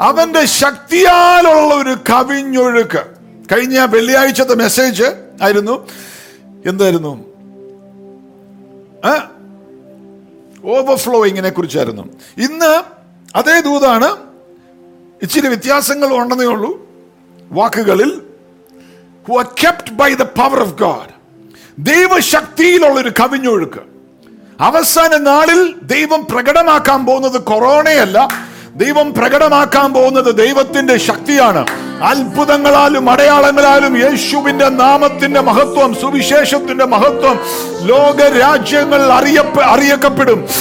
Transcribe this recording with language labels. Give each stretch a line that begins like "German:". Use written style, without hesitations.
Malayalam: അവന്റെ ശക്തിയാലുള്ള ഒരു കവിഞ്ഞൊഴുക്ക്. കഴിഞ്ഞ വെള്ളിയാഴ്ചത്തെ മെസ്സേജ് ആയിരുന്നു. എന്തായിരുന്നു? ഓവർഫ്ലോയിങ്ങിനെ കുറിച്ചായിരുന്നു. ഇന്ന് അതേ ദൂതാണ്, ഇച്ചിരി വ്യത്യാസങ്ങൾ ഉണ്ടെന്നേ ഉള്ളൂ വാക്കുകളിൽ.
English: Who are kept by the power of God.
Malayalam: ദൈവശക്തിയിലുള്ള ഒരു കവിഞ്ഞൊഴുക്ക്. അവസാന നാളിൽ ദൈവം പ്രകടമാക്കാൻ പോകുന്നത് കൊറോണയല്ല, ദൈവം പ്രകടമാക്കാൻ പോകുന്നത് ദൈവത്തിന്റെ ശക്തിയാണ്. അത്ഭുതങ്ങളാലും അടയാളങ്ങളാലും യേശുവിന്റെ നാമത്തിന്റെ മഹത്വം, സുവിശേഷത്തിന്റെ മഹത്വം ലോകരാജ്യങ്ങൾ അറിയപ്പെടും.